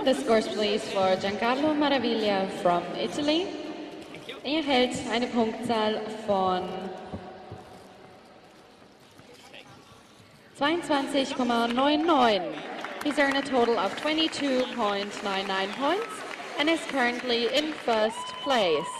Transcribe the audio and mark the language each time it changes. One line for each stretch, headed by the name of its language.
English: The scores please for Giancarlo Maraviglia from Italy.
German: Er hält eine Punktzahl von 22,99.
English: He's earned a total of 22.99 points and is currently in first place.